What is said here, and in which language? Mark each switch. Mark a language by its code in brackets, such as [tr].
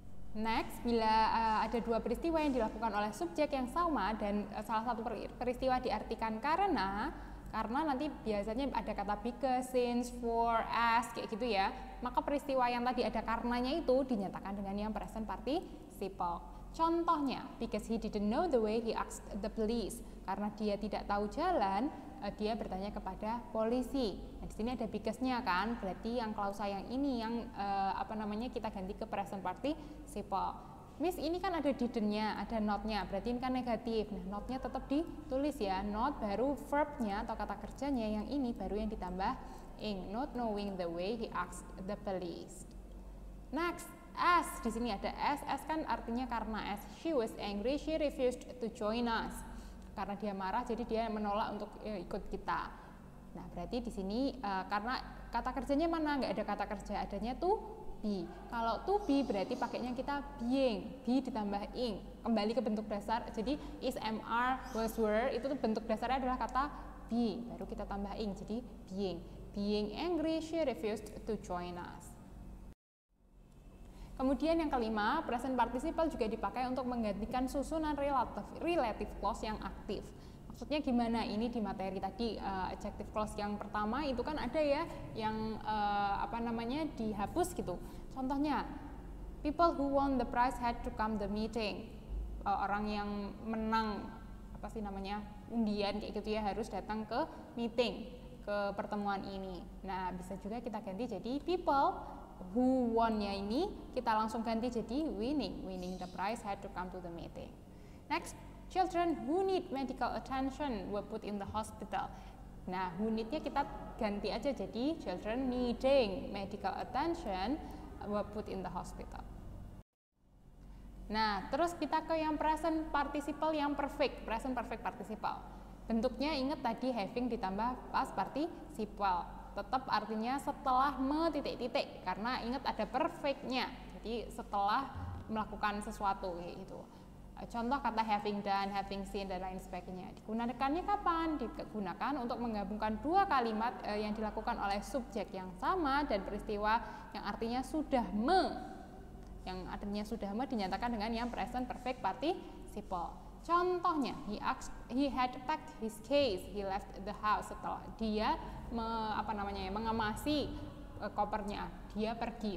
[id] Next, bila ada dua peristiwa yang dilakukan oleh subjek yang sama dan salah satu peristiwa diartikan karena nanti biasanya ada kata because, since, for, as, kayak gitu ya, maka peristiwa yang tadi ada karenanya itu dinyatakan dengan yang present participle. [en] Contohnya, because he didn't know the way, he asked the police. [id] Karena dia tidak tahu jalan, dia bertanya kepada polisi. Nah, di sini ada because-nya kan, berarti yang klausa yang ini yang kita ganti ke present participle. Miss, ini kan ada didn't-nya, ada not-nya, berarti ini kan negatif. Nah, not-nya tetap ditulis ya, not baru verb-nya atau kata kerjanya, yang ini baru yang ditambah ing. [en] Not knowing the way, he asked the police. [id] Next, as, di sini ada as kan artinya karena, [en] as she was angry, she refused to join us. [id] Karena dia marah, jadi dia menolak untuk ikut kita. Nah, berarti di sini karena kata kerjanya mana? Nggak ada kata kerja, adanya to be. Kalau to be berarti pakainya kita being, be ditambah ing. Kembali ke bentuk dasar, jadi is, am, are, was, were, itu bentuk dasarnya adalah kata be. Baru kita tambah ing, jadi being. [en] Being angry, she refused to join us. [id] Kemudian yang kelima, present participle juga dipakai untuk menggantikan susunan relative clause yang aktif. Maksudnya gimana? Ini di materi tadi, adjective clause yang pertama itu kan ada ya, yang dihapus gitu. [en] Contohnya, people who won the prize had to come the meeting. [id] Orang yang menang, undian kayak gitu ya, harus datang ke meeting, ke pertemuan ini. Nah, bisa juga kita ganti jadi people who won-nya ini kita langsung ganti jadi [en] winning the prize had to come to the meeting. Next, children who need medical attention were put in the hospital. Nah, who need-nya [id] kita ganti aja jadi [en] children needing medical attention were put in the hospital. [id] Nah, terus kita ke yang present participle yang perfect, present perfect participle. Bentuknya ingat tadi having ditambah past participle. Tetap artinya setelah me-titik-titik, karena ingat ada perfect-nya, jadi setelah melakukan sesuatu gitu. Contoh kata having done, having seen, dan lain sebagainya. Digunakannya kapan? Digunakan untuk menggabungkan dua kalimat yang dilakukan oleh subjek yang sama dan peristiwa yang artinya sudah me. Yang artinya sudah me dinyatakan dengan yang present perfect participle. [en] Contohnya, he had packed his case, he left the house. [id] Setelah dia mengemasi kopernya, dia pergi.